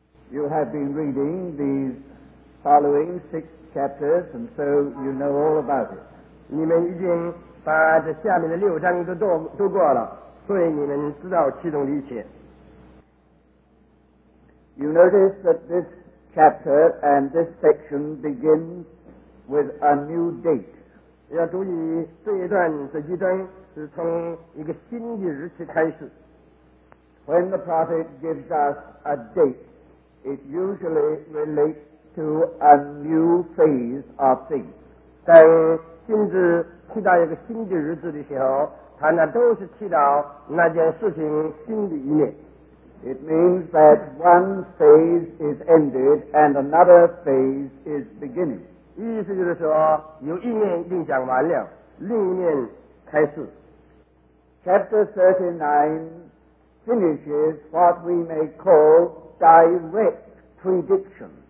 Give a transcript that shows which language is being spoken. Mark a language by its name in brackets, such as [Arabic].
[English] You have been reading these following six chapters, and so you know all about it. [Chinese] 你们已经把这下面的六章都过了，所以你们知道其中的一切。 [English] You notice that this chapter and this section begins with a new date. [Chinese] 要注意这一段这一章是从一个新的日期开始。 [English] When the prophet gives us a date, it usually relates to a new phase of things. [Chinese] 当先知提到一个新的日子的时候，他那都是提到那件事情新的一面。 [English] It means that one phase is ended and another phase is beginning. [Chinese] 意思就是说，有一面已经讲完了，另一面开始。 [English] Chapter 39 finishes what we may call direct prediction.